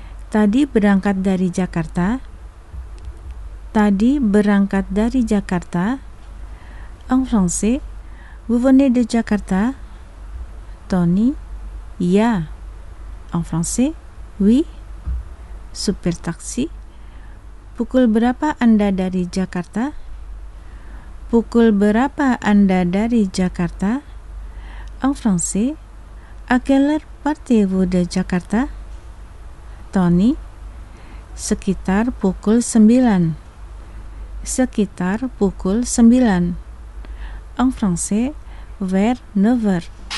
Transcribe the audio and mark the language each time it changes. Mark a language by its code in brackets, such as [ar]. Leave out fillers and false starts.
[id] Tadi berangkat dari Jakarta. Tadi berangkat dari Jakarta. [fr] En français, vous venez de Jakarta? Tony. Ya. En français, oui. [id] Supir taksi. Pukul berapa Anda dari Jakarta? Pukul berapa Anda dari Jakarta? [fr] En français, à quelle heure partez-vous de Jakarta? [id] Tony, sekitar pukul 9. Sekitar pukul 9. [fr] En français, vers 9h.